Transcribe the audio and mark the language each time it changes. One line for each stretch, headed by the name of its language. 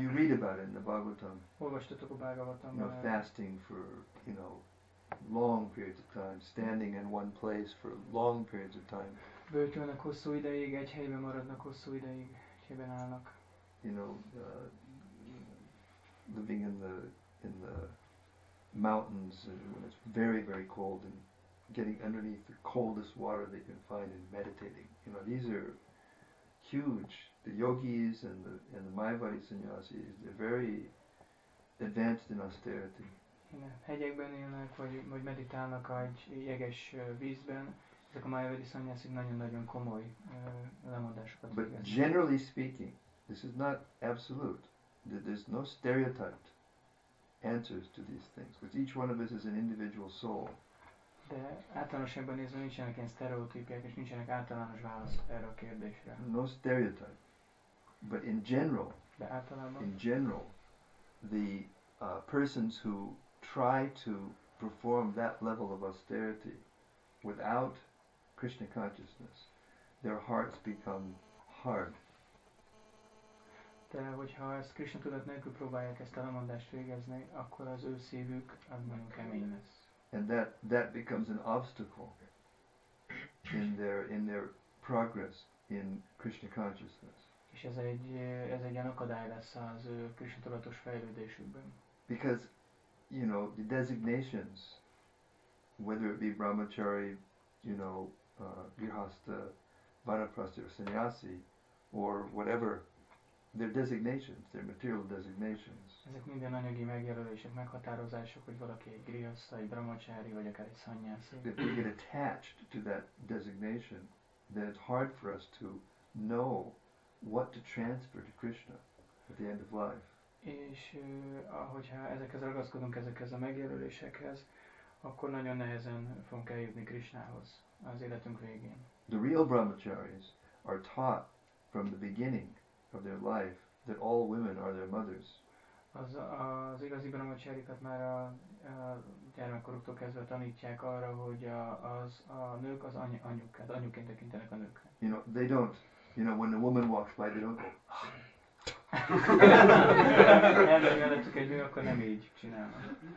English: You know, you read about it in the Bhagavatam.
Hungarian: Olvastatok a Bhagavatamban.
English: You know, fasting for, you know, long periods of time, standing in one place for long periods of time.
Hungarian: Böjtölnek hosszú ideig, egy helyben maradnak hosszú ideig, egy helyben állnak.
English: You know, living in the mountains when it's very, very cold and getting underneath the coldest water that you can find and meditating. You know, these are huge. The yogis and the Mayavadi sannyasis, they're very advanced in austerity.
Hungarian: Hegyekben élnek, vagy meditálnak egy jeges vízben. Ezek a Mayavadi sannyasik nagyon-nagyon komoly lemondásokat.
English: But generally speaking, this is not absolute. There's no stereotyped answers to these things, because each one of us is an individual soul.
Hungarian: De általánosságban nézve nincsenek ilyen sztereotípiák, és nincsenek általános válasz erre a kérdésre.
English: No stereotype. But in general,
Hungarian: de általában,
English: in general, the persons who try to perform that level of austerity without Krishna consciousness, their hearts become hard.
Hungarian: De hogyha ezt Krishna tudat nélkül próbálják ezt a lemondást végezni, akkor az ő szívük az nagyon kemény lesz.
English: And that becomes an obstacle in their progress in Krishna consciousness.
Hungarian: És ez egy ilyen akadály lesz az ő Krishna tudatos fejlődésükben.
English: Because, you know, the designations, whether it be brahmachari, you know, grihastha, vanaprastha, or sannyasi, or whatever, they're designations, they're material designations.
Hungarian: Ezek minden anyagi megjelölések, meghatározások, hogy valaki egy grihasta, egy brahmachari, vagy akár egy sannyasi.
English: If we get attached to that designation, then it's hard for us to know what to transfer to Krishna at the end of life.
Hungarian: És ahogyha ezekhez ragaszkodunk, ezekhez a megjelölésekhez, akkor nagyon nehezen fogunk eljutni Krishnához az életünk végén.
English: The real brahmacharis are taught from the beginning of their life that all women are their mothers.
Hungarian: Az igazi brahmacharikat már a gyermekkoruktól kezdve tanítják arra, hogy a nők az anyuk, az anyuként tekintenek a nőkre.
English: You know, they don't. You know, when a woman walks by, they don't go.
Hungarian: Elmegyelettük egy nő, akkor nem így csinálnak.